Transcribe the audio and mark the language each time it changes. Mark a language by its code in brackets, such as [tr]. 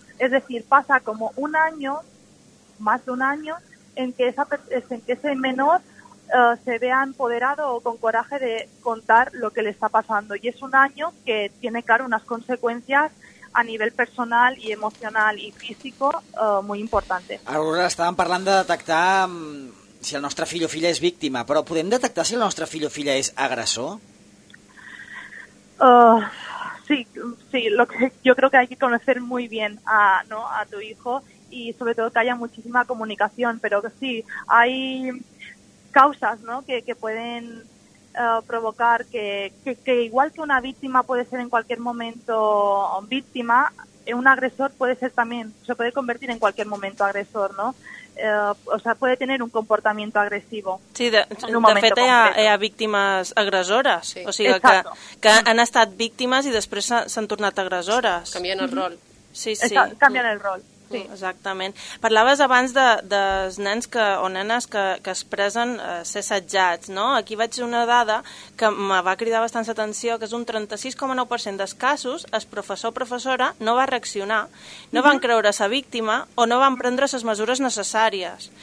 [es] Es decir, pasa como un año, más de un año, en que ese menor se vea empoderado o con coraje de contar lo que le está pasando. Y es un año que tiene, claro, unas consecuencias a nivel personal y emocional y físico muy importante. Ahora estaban [ca] parlant de detectar si el nostre fill o filla és víctima, però podem detectar si el nostre fill o filla és agressor? [es] Sí, lo que yo creo que hay que conocer muy bien a, ¿no?, a tu hijo, y sobre todo que haya muchísima comunicación, pero sí, hay causas, ¿no?, que pueden provocar que igual que una víctima puede ser en cualquier momento víctima, un agresor puede ser también, se puede convertir en cualquier momento agresor, ¿no? O sea, puede tener un comportamiento agresivo. [ca] Sí, de fet, hi ha víctimes agressores. Sí. O sigui, que han estat víctimes i després s'han tornat agressores. Canvien el rol. Sí, sí. Canvien el rol. Sí. Exactament. Parlaves abans dels nens que, o nenes que es presen ser assetjats, no? Aquí vaig una dada que em va cridar bastant l'atenció, que és un 36,9% dels casos el professor o professora no va reaccionar, no van creure la víctima o no van prendre les mesures necessàries.